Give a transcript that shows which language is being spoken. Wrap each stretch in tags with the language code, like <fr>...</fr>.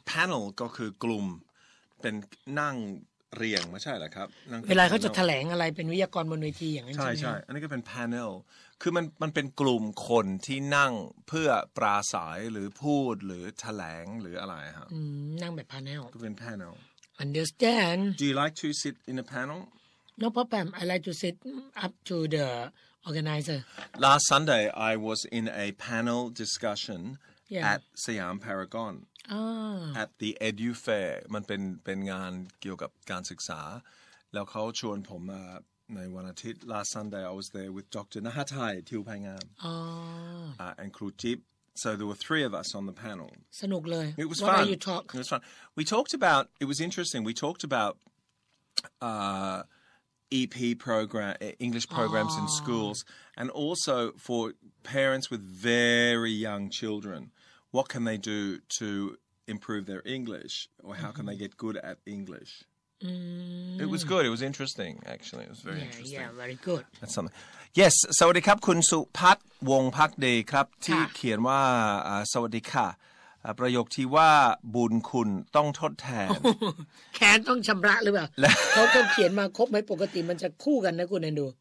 <th>panel ก็คือกลุ่มเป็นนั่งเรียงไม่ใช่หรอครับ เวลาเขาจะแถลงอะไรเป็นวิทยากรบนเวทีอย่างนั้นใช่ไหม ใช่ใช่อันนี้ก็เป็น panel คือมันเป็นกลุ่มคนที่นั่งเพื่อปราศรัยหรือพูดหรือแถลงหรืออะไรฮะ นั่งแบบ panel ก็เป็น panel</th> <en>Understand. Do you like to sit in a panel? No problem. I like to sit up to the organizer. Last Sunday, I was in a panel discussion at Siam Paragon. At the Edu Fair.</en> <th>มันเป็นงานเกี่ยวกับการศึกษาแล้วเขาชวนผมมาในวันอาทิตย์</th> <en>Last Sunday, I was there with Dr. Nahatai, ทิวไพงาม and Kru Jip. So there were three of us on the panel.</en> <th>สนุกเลย.</th> <en>It was fun. What are you talking? It was fun. We talked about, it was interesting, we talked about EP program, English programs in schools, and also for parents with very young children, what can they do to improve their English, or how can they get good at English? It was good. It was interesting, actually. It was very interesting. Yeah, very good. That's something.</en> <th>Yes, สวัสดีครับคุณสุพัฒน์วงพักดีครับที่เขียนว่าสวัสดีค่ะประโยคที่ว่าบุญคุณต้องทดแทน แค้นต้องชำระหรือเปล่าเขาก็เขียนมาครบไหมปกติมันจะคู่กันนะคุณแอนดู</th>